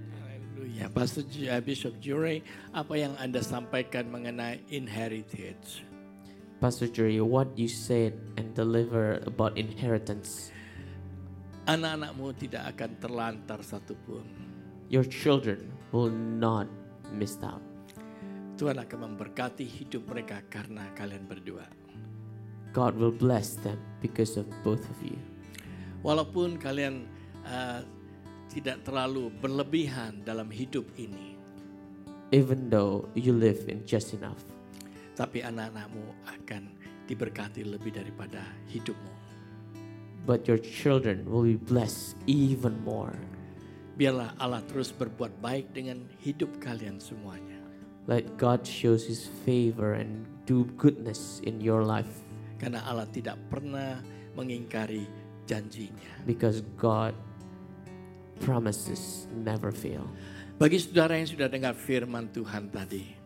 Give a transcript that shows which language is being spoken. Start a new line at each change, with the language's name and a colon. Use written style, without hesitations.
Indonesian: Hallelujah. Pastor Bishop Jure, apa yang Anda sampaikan mengenai inheritance?
English: Pastor Jure, what you said and deliver about inheritance?
Indonesian: Anak-anakmu tidak akan terlantar satupun.
English: Your children will not miss out.
Indonesian: Tuhan akan memberkati hidup mereka karena kalian berdua.
English: God will bless them because of both of you.
Indonesian: Walaupun kalian tidak terlalu berlebihan dalam hidup ini.
English: Even though you live in just enough.
Indonesian: Tapi anak-anakmu akan diberkati lebih daripada hidupmu.
English: But your children will be blessed even more.
Indonesian: Biarlah Allah terus berbuat baik dengan hidup kalian semuanya.
English: Let God show his favor and do goodness in your life.
Indonesian: Karena Allah tidak pernah mengingkari janjinya.
English: Because God promises never fail.
Indonesian: Bagi saudara yang sudah dengar firman Tuhan tadi.